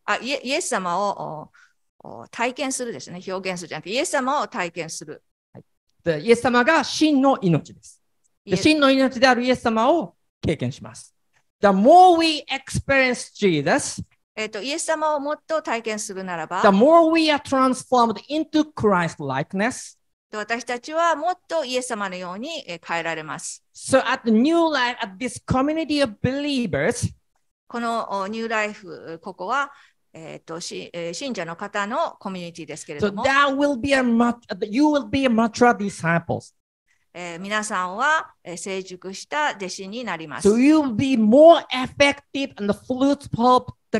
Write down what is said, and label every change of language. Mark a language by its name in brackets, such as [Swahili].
[Japanese] イエス様を体験するですね。表現するじゃなくて、イエス様を体験する。イエス様が真の命です。真の命であるイエス様を経験します。 [English] The more we experience Jesus. [Japanese] イエス様をもっと体験するならば [English] The more we are transformed into Christ-likeness, [Japanese] 私たちはもっとイエス様のように変えられます。 [English] So at the new life, at this community of believers, [Japanese] このニューライフ、ここは、信者の方のコミュニティですけれども [English] So that will be a you will be a mature disciples. [Japanese] 皆さんは成熟した弟子になります。 [English] So you will be more effective and fruitful.